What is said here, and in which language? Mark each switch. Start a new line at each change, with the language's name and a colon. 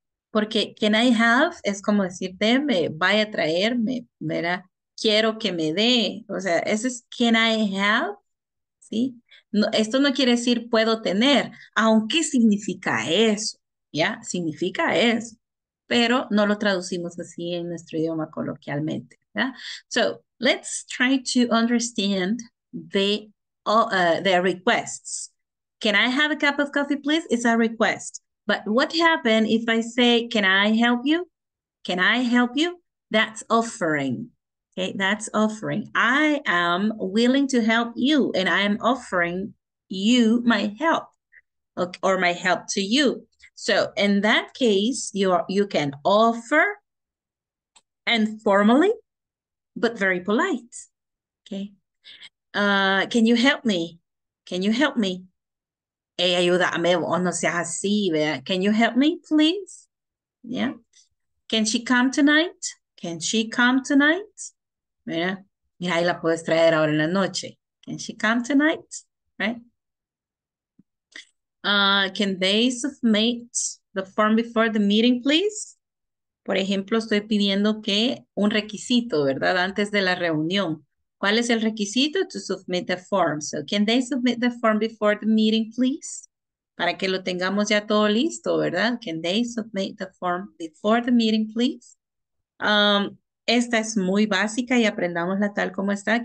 Spanish: Porque
English: can I have
Spanish: es como decir, deme, vaya a traerme, ¿verdad? Quiero que me dé. O sea, eso es
English: can I have,
Spanish: ¿sí? No, esto no quiere decir puedo tener, aunque significa eso, ¿ya? Significa eso, pero no lo traducimos así en nuestro idioma coloquialmente, ¿verdad?
English: So, let's try to understand the their requests. Can I have a cup of coffee, please? It's a request. But what happens if I say, can I help you? Can I help you? That's offering. Okay, that's offering. I am willing to help you and I am offering you my help, okay, or my help to you. So in that case, you can offer and formally, but very polite. Okay. Can you help me? Can you help me? Hey,
Spanish: ayúdame, o no seas así, ¿verdad?
English: Can you help me, please? Yeah. Can she come tonight? Can she come tonight?
Spanish: ¿Verdad? Mira, ahí la puedes traer ahora en la noche.
English: Can she come tonight? Right? Can they submit the form before the meeting, please?
Spanish: Por ejemplo, estoy pidiendo que un requisito, ¿verdad? Antes de la reunión. ¿Cuál es el requisito?
English: To submit the form. So, can they submit the form before the meeting, please?
Spanish: Para que lo tengamos ya todo listo, ¿verdad?
English: Can they submit the form before the meeting, please?
Spanish: Esta es muy básica y aprendámosla tal como está.